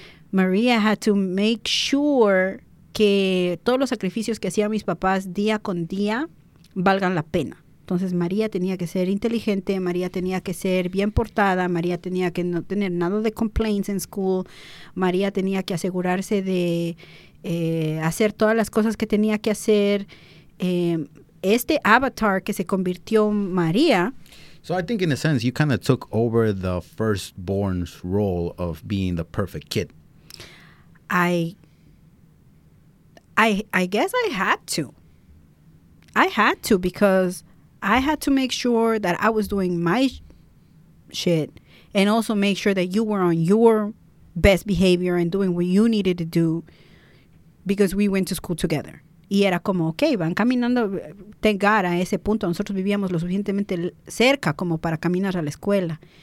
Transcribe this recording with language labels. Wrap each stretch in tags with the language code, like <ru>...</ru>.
<es>María</es> <en>had to make sure</en> <es>que todos los sacrificios que hacían mis papás día con día valgan la pena. Entonces, María tenía que ser inteligente, María tenía que ser bien portada, María tenía que no tener nada de complaints en school, María tenía que asegurarse de hacer todas las cosas que tenía que hacer. Este avatar que se convirtió en María.</es> <en>So I think in a sense, you kind of took over the firstborn's role of being the perfect kid. I guess I had to. I had to because I had to make sure that I was doing my shit and also make sure that you were on your best behavior and doing what you needed to do because we went to school together.</en> <es>Y era como, okay, van caminando,</es> <en>thank God,</en> <es>a ese punto. Nosotros vivíamos lo suficientemente cerca como para caminar a la escuela.</es>